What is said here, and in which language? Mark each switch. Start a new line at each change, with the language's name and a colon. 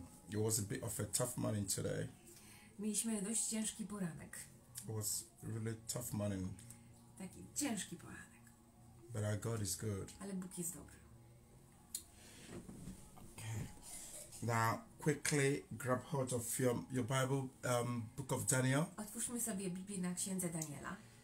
English: It was a bit of a tough morning today.
Polish: Mieliśmy dość ciężki poranek.
English: It was really tough morning.
Polish: Taki ciężki poranek.
English: But our God is good.
Polish: Ale Bóg jest dobry.
English: Now, quickly grab hold of your Bible, Book of Daniel.
Polish: Otwórzmy sobie Biblię na Księdze Daniela.